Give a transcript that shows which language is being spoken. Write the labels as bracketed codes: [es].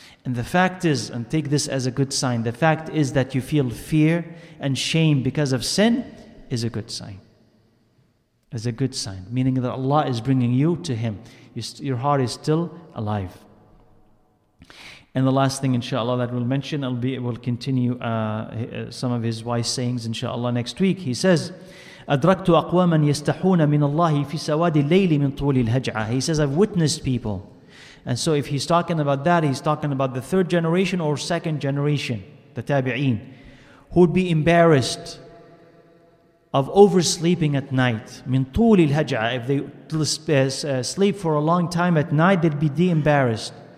[en] And the fact is, and take this as a good sign, the fact is that you feel fear and shame because of sin is a good sign. It's a good sign, meaning that Allah is bringing you to Him. Your heart is still alive. And the last thing, inshallah, that we'll mention, we'll continue some of his wise sayings, inshallah, next week. He says, [ar] أَدْرَكْتُ أَقْوَامًا يَسْتَحُونَ مِنَ اللَّهِ فِي سَوَادِ اللَّيْلِ مِنْ طُولِ الْهَجْعَةِ. [en] He says, I've witnessed people. And so if he's talking about that, he's talking about the third generation or second generation, the tabi'een, who would be embarrassed of oversleeping at night. [ar] مِنْ طُولِ الْهَجْعَةِ. [en] If they sleep for a long time at night, they'd be de-embarrassed.